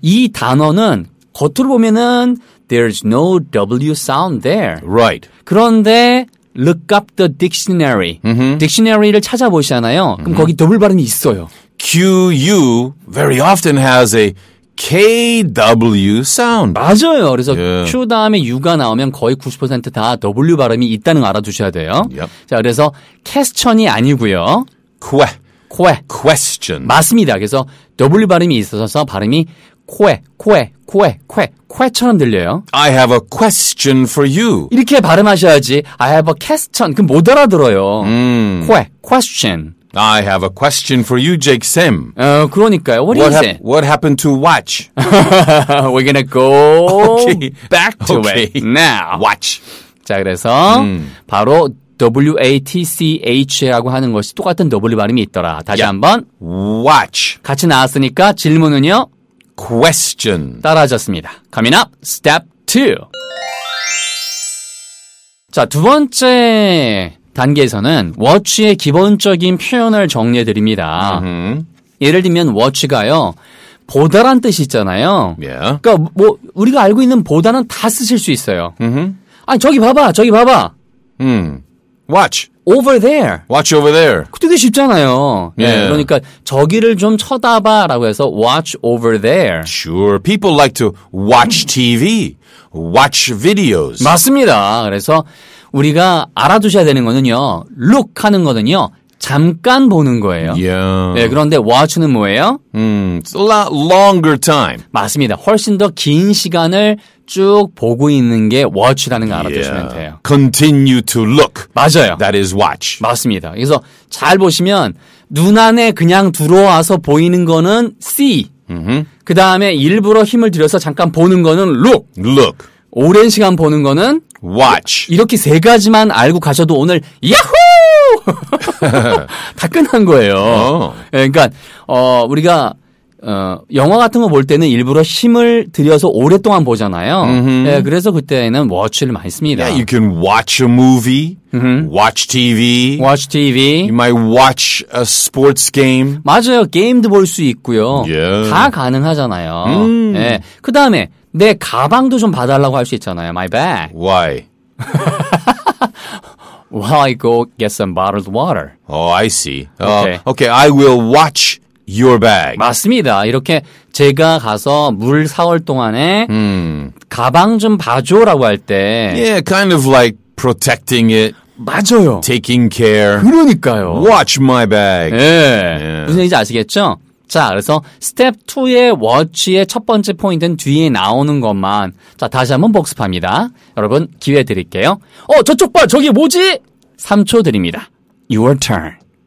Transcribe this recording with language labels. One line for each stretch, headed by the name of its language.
Korean: 이 단어는 겉으로 보면은
English: There's no W sound there. Right.
Korean: 그런데
English: look up the dictionary. Mm-hmm.
Korean: Dictionary를 찾아보시잖아요. 그럼 거기 double 발음이 있어요.
English: Q-U very often has a K-W sound.
Korean: 맞아요. 그래서
English: yeah.
Korean: Q 다음에 U가 나오면 거의 90% 다 W 발음이 있다는 거 알아두셔야 돼요.
English: Yep.
Korean: 자, 그래서 question이 아니고요.
English: Question.
Korean: 맞습니다. 그래서 W 발음이 있어서 발음이 쿠에처럼 들려요.
English: I have a question for you.
Korean: 이렇게 발음하셔야지.
English: I have a question.
Korean: 그럼 못 알아들어요.
English: 쿠에, question. I have a question for you, Jake Sim.
Korean: 그러니까요.
English: What happened to watch? We're gonna go okay. back to okay. it now. Watch.
Korean: 자, 그래서 바로 W-A-T-C-H라고 하는 것이 똑같은 W 발음이 있더라. 다시
English: yep.
Korean: 한번.
English: Watch.
Korean: 같이 나왔으니까 질문은요.
English: Question.
Korean: 따라하셨습니다.
English: Coming up, step two.
Korean: 자, 두 번째 단계에서는 watch의 기본적인 표현을 정리해드립니다. Mm-hmm. 예를 들면 watch가요, 보다란 뜻이 있잖아요.
English: Yeah.
Korean: 그러니까 뭐 우리가 알고 있는 보다는 다 쓰실 수 있어요. Mm-hmm. 아니, 저기 봐봐, 저기 봐봐.
English: Watch. Over there. Watch over there.
Korean: 그때도 쉽잖아요.
English: Yeah. 네,
Korean: 그러니까 저기를 좀 쳐다봐라고 해서
English: watch over there. Sure. People like to watch TV, watch videos.
Korean: 맞습니다. 그래서 우리가 알아두셔야 되는 거는요. Look 하는 거는요. 잠깐 보는 거예요.
English: Yeah.
Korean: 네, 그런데 watch는 뭐예요?
English: It's a lot longer time.
Korean: 맞습니다. 훨씬 더 긴 시간을 쭉 보고 있는 게 watch라는 거 알아두시면
English: yeah.
Korean: 돼요.
English: Continue to look.
Korean: 맞아요.
English: That is watch.
Korean: 맞습니다. 그래서 잘 보시면 눈 안에 그냥 들어와서 보이는 거는 see. Mm-hmm. 그 다음에 일부러 힘을 들여서 잠깐 보는 거는 look.
English: Look.
Korean: 오랜 시간 보는 거는
English: watch.
Korean: 이렇게 세 가지만 알고 가셔도 오늘 야호! 다 끝난 거예요. 어. 그러니까 우리가 영화 같은 거 볼 때는 일부러 힘을 들여서 오랫동안 보잖아요. Mm-hmm. 네, 그래서 그때는 watch를 많이 씁니다.
English: Yeah, you can watch a movie, mm-hmm. watch TV. Watch TV. You might watch a sports game.
Korean: 맞아요. 게임도 볼 수 있고요.
English: Yeah.
Korean: 다 가능하잖아요. Mm. 네. 그 다음에 내 가방도 좀 봐달라고 할 수 있잖아요.
English: My bag. Why? While I go get some bottled water. Oh, I see. Okay. Okay, I will watch your bag.
Korean: 맞습니다. 이렇게 제가 가서 물 사올 동안에 가방 좀 봐줘라고 할 때
English: Yeah, kind of like protecting it.
Korean: 맞아요.
English: Taking care.
Korean: 그러니까요.
English: Watch my bag.
Korean: 예. 무슨 얘기인지 아시겠죠? 자, 그래서 스텝 2의 워치의 첫 번째 포인트는 뒤에 나오는 것만. 자, 다시 한번 복습합니다. 여러분, 기회 드릴게요. 어, 저쪽 봐! 저기 뭐지? 3초 드립니다.
English: Your turn.